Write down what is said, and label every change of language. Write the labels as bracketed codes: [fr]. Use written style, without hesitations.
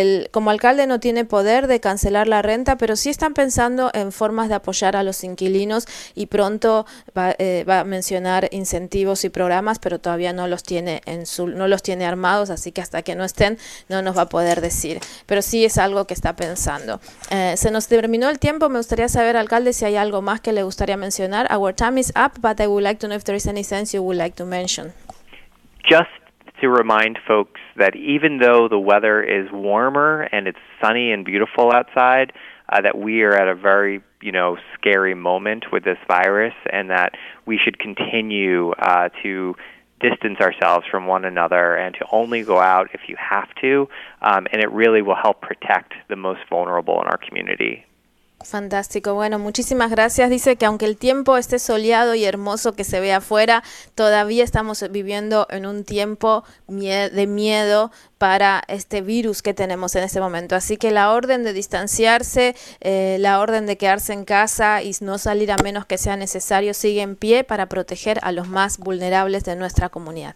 [es] Como alcalde no tiene poder de cancelar la renta, pero sí están pensando en formas de apoyar a los inquilinos y pronto va a mencionar incentivos y programas, pero todavía no los tiene no los tiene armados, así que hasta que no estén no nos va a poder decir, pero sí es algo que está pensando. Se nos terminó el tiempo, me gustaría saber, alcalde, si hay algo más que le gustaría mencionar. [en] Our time is up, but I would like to know if there is any sense you would like to mention. Just to remind folks that even though the weather is warmer and it's sunny and beautiful outside, that we are at a very, you know, scary moment with this virus, and that we should continue to distance ourselves from one another and to only go out if you have to, and it really will help protect the most vulnerable in our community. [es] Fantástico. Bueno, muchísimas gracias. Dice que aunque el tiempo esté soleado y hermoso que se ve afuera, todavía estamos viviendo en un tiempo de miedo para este virus que tenemos en este momento. Así que la orden de distanciarse, la orden de quedarse en casa y no salir a menos que sea necesario, sigue en pie para proteger a los más vulnerables de nuestra comunidad.